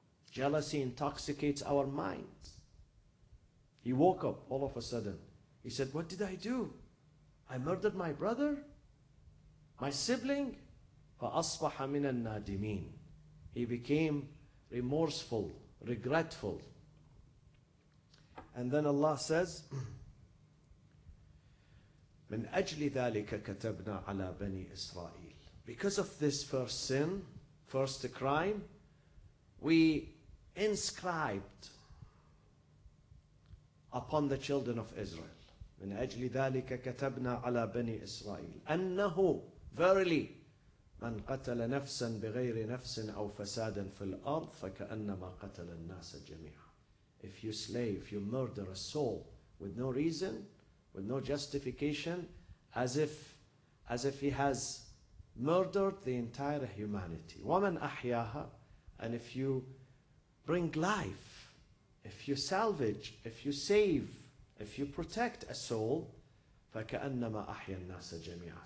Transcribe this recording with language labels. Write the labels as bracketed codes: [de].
[en] Jealousy intoxicates our minds. He woke up all of a sudden. He said, what did I do? I murdered my brother, my sibling. [ar] فَأَصْبَحَ مِنَ النَّادِمِينَ. [en] He became remorseful, regretful. And then Allah says, [ar] مِنْ أَجْلِ ذَلِكَ كَتَبْنَا عَلَىٰ بَنِي إِسْرَائِيلِ. [en] Because of this first sin, first crime, we inscribed upon the children of Israel. [ar] مِنْ أَجْلِ ذَلِكَ كَتَبْنَا عَلَىٰ بَنِي إِسْرَائِيلِ أَنَّهُ. Verily, مَنْ قَتَلَ نَفْسًا بِغَيْرِ نَفْسٍ أَوْ فَسَادًا فِي الْأَرْضِ فَكَأَنَّمَا قَتَلَ النَّاسَ جَمِيعًا. [en] If you slay, if you murder a soul with no reason, with no justification, as if he has murdered the entire humanity. [ar] وَمَنْ أَحْيَاهَا. [en] And if you bring life, if you salvage, if you save, if you protect a soul, [ar] فَكَأَنَّمَا أَحْيَا النَّاسَ جَمِيعًا.